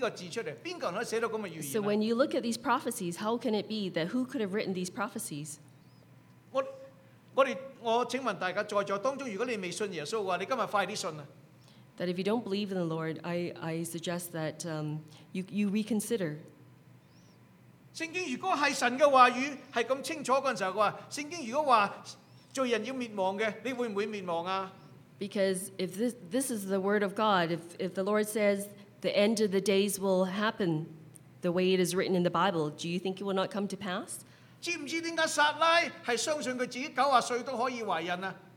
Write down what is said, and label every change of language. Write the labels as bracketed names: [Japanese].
[English] So when you look at these prophecies, how can it be that who could have written these prophecies? [Chinese] 我请问大家在座当中，如果你未信耶稣的话，你今天快点信啊。 [English] That if you don't believe in the Lord, I suggest that you reconsider. [Chinese] 圣经如果是神的话语，是这么清楚的时候，圣经如果说罪人要灭亡的，你会不会灭亡啊？ [English] Because if this is the word of God, if the Lord says the end of the days will happen the way it is written in the Bible, do you think it will not come to pass? [Chinese] 知不知道为什么撒拉是相信他自己90岁都可以怀孕啊？